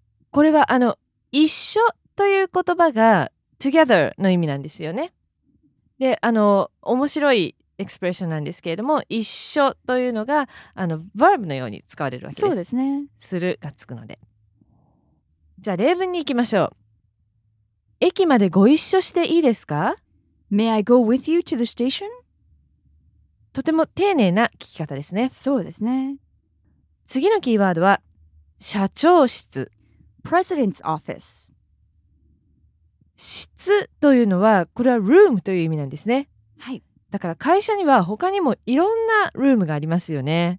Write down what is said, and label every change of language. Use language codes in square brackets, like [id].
[ja] これは一緒という言葉が together の意味なんですよね。で、面白いエクスプレッションなんですけれども、一緒というのがverb のように使われるわけです。そうですね。するがつくので。じゃあ例文に行きましょう。駅までご一緒していいですか？ [en] May I go with you to the station? [ja] とても丁寧な聞き方ですね。そうですね。次のキーワードは社長室 [en] President's office [ja] 室というのはこれは room という意味なんですね。はい。だから会社には他にもいろんな room がありますよね。